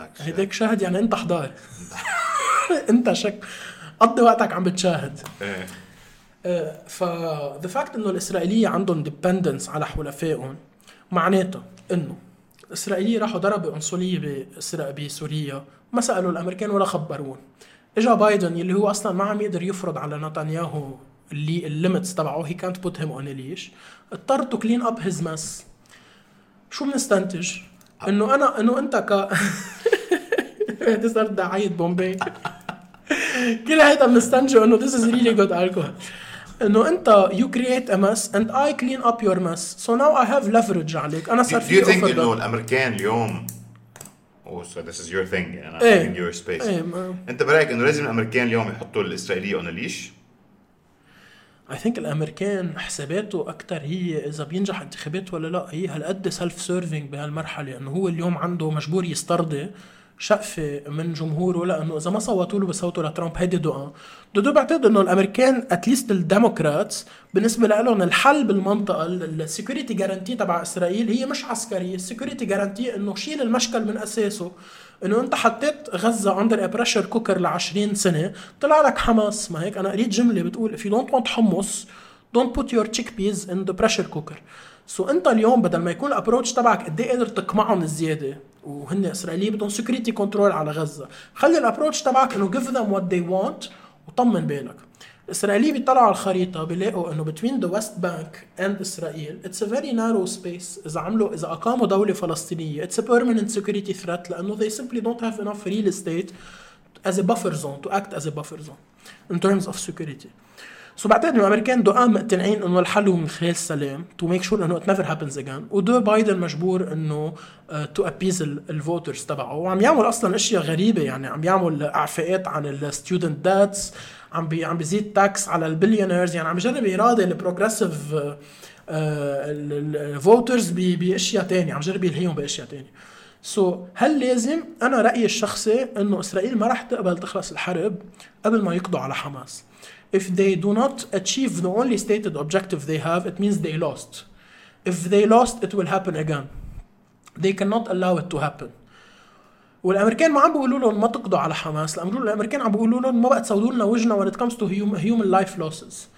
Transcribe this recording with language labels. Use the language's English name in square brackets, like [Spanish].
[Arabic] هيداك شاهد يعني أنت حضار أنت شك قضي وقتك عم بتشاهد ف [English] the fact [Arabic] إنه الإسرائيلية عندهم dependence على حلفائهم معناته إنه الإسرائيلية راحوا ضربوا قنصلية بسوريا ما سألوا الأمريكان ولا خبرون. إجا بايدن يلي هو أصلاً ما عم يقدر يفرض على نتنياهو اللي الليمتس تبعه, [English] he can't put him on a leash, [Arabic] اضطر [English] to clean up his mess. [Arabic] شو منستنتج؟ إنه أنا إنه أنت ك تصير دعاية بومبي كل هيدا منستنجه إنه [English] this is really good alcohol, [Arabic] انه انت [English] you create a mess and I clean up your mess, so now I have leverage [Arabic] عليك. انا صار في اوفر انه الامريكان اليوم [English] so this is your thing and I'm in your space. [Arabic] انت برايك انه لازم الامريكان اليوم يحطوا الاسرائيلية [English] on a leash؟ I think [Arabic] الامريكان حساباته اكتر هي اذا بينجح انتخابات ولا لا, هي هالقد self-serving بهالمرحلة انه هو اليوم عنده مجبور يسترضي شقفة من جمهوره، لأنه إذا ما صوتوا له بصوتوا لترامب هيدي دوان. دودو بعتقد أنه الأمريكان أتليست الديموكرات بالنسبة لهم الحل بالمنطقة السيكوريتي جارانتي تبع إسرائيل هي مش عسكرية. السيكوريتي جارانتي أنه شيل المشكل من أساسه، أنه أنت حطيت غزة [English] under a pressure cooker [Arabic] لعشرين سنة، طلع لك حماس. ما هيك أنا قريت جملة بتقول [English] if you don't want hummus don't put your chickpeas in the pressure cooker. [Arabic] سو انت اليوم بدل ما يكون الابروتش تبعك قدي قدر تقمعهم الزيادة، وهن اسرائيليين بدهم سكريتي كنترول على غزة، خلي الابروتش تبعك انه [English] give them what they want [Arabic] وطمن بالك. الاسرائيلي بيطلعوا على الخريطة بيلاقوا انه [English] between the west bank and Israel it's a very narrow space. [Arabic] اذا اقاموا دولة فلسطينية [English] it's a permanent security threat، [Arabic] لانه [English] they simply don't have enough real estate as a buffer zone to act as a buffer zone in terms of security. [Arabic] سو بعتقد الامريكان دو قام مقتنعين انه الحل من خلال السلام [English] to make sure [Arabic] انه [English] it never happens again، [Arabic] ودو بايدن مجبور انه [English] to appease [Arabic] الفوترز تبعه. وعم يعمل اصلا اشياء غريبة، يعني عم يعمل اعفاءات عن student debts، عم بيزيد تاكس على البليونيرز، يعني عم يجرب يراضي البروجرسيف الفوترز باشياء تانية، عم يجرب يلهيهم باشياء تانية. سو هل لازم؟ انا رأيي الشخصي انه اسرائيل ما رح تقبل تخلص الحرب قبل ما يقضوا على حماس. [English] If they do not achieve the only stated objective they have, it means they lost. If they lost, it will happen again. They cannot allow it to happen. [Arabic] والأمريكان ما عم بيقولوا لهم ما تقضوا على حماس، الأمريكان عم بيقولوا لهم ما بقى تسودوا لنا وجنا [English] when it comes to human life losses.